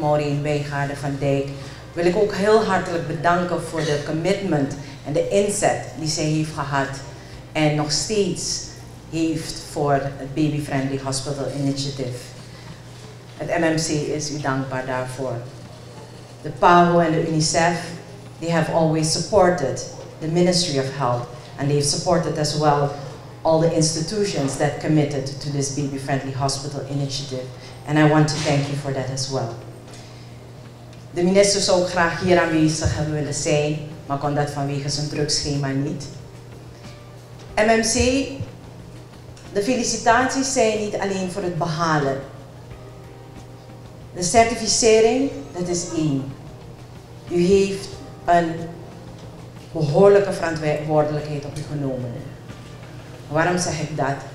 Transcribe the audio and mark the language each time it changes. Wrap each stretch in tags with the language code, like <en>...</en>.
<nl>Maureen Wijngaarden van Dijk, wil ik ook heel hartelijk bedanken voor de commitment en de inzet die zij heeft gehad en nog steeds heeft voor het Baby Friendly Hospital Initiative. Het MMC is u dankbaar daarvoor. De PAHO en de UNICEF,</nl> <en>they have always supported the Ministry of Health, and they've supported as well all the institutions that committed to this Baby Friendly Hospital Initiative. And I want to thank you for that as well.</en> <nl>De minister zou ook graag hier aanwezig hebben willen zijn, maar kon dat vanwege zijn drugschema niet. MMC, de felicitaties zijn niet alleen voor het behalen. De certificering, dat is één. U heeft een behoorlijke verantwoordelijkheid op u genomen. Waarom zeg ik dat?</nl>